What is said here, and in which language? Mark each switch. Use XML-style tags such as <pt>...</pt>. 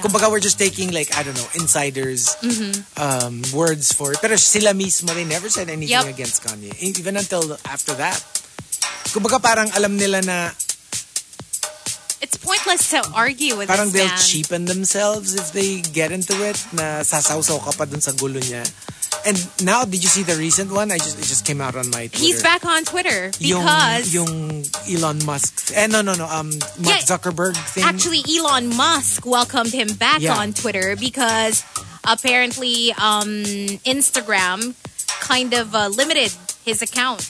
<en>Kumbaga, we're just taking, like, I don't know, insiders' words for it. Pero sila mismo, they never said anything against Kanye. Even until after that. Kumbaga, parang alam nila na... It's pointless to argue with this man. Parang they'll cheapen themselves if they get into it.</en> <tl>Na sasawsaw ka pa dun sa gulo niya.</tl> <en>And now, did you see the recent one? It just came out on my Twitter. He's back on Twitter because... Yung Elon Musk. Mark Zuckerberg thing. Actually, Elon Musk welcomed him back on Twitter because apparently Instagram kind of limited his account.</en>